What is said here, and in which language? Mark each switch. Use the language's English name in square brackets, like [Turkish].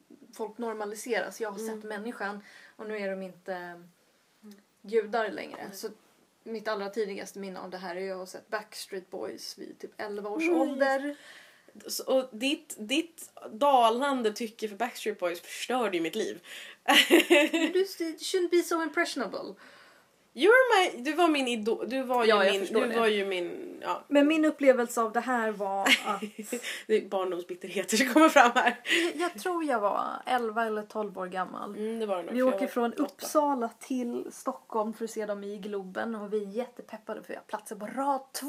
[Swedish] Att folk normaliseras. Jag har sett människan och nu är de inte judar längre. Så mitt allra tidigaste minne av det här är att jag har sett Backstreet Boys vid typ 11 års ålder. Och ditt dalande tycke för Backstreet Boys förstörde ju mitt liv. [English] You shouldn't be so impressionable. [Swedish] Du var min idol. Du var ju min. Men min upplevelse av det här var att det är barndomsbitterheter som kommer fram här. Jag tror jag var 11 eller 12 år gammal. Det var det nog. Vi åker från 8. Uppsala till Stockholm för att se dem i Globen och vi är jättepeppade för jag platsar på rad 2.